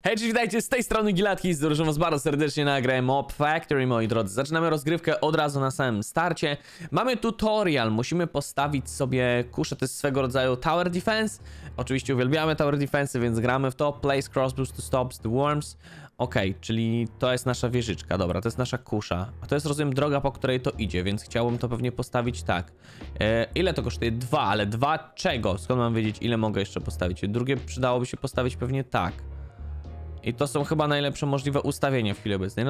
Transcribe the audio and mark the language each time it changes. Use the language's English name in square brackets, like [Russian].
[Polish] Hej, cześć, witajcie, z tej strony Gilatki, zdrożyłem was bardzo serdecznie na grę Mob Factory, moi drodzy. Zaczynamy rozgrywkę od razu na samym starcie. Mamy tutorial, musimy postawić sobie kuszę, to jest swego rodzaju Tower Defense. Oczywiście uwielbiamy Tower Defense, więc gramy w to. [English] Place crossbows to stop the worms. [Polish] Okej, okay, czyli to jest nasza wieżyczka, dobra, to jest nasza kusza. A to jest, rozumiem, droga, po której to idzie, więc chciałbym to pewnie postawić tak. Ile to kosztuje? Dwa, ale dwa czego? Skąd mam wiedzieć, ile mogę jeszcze postawić? Drugie przydałoby się postawić pewnie tak. I to są chyba najlepsze możliwe ustawienia w chwili obecnej.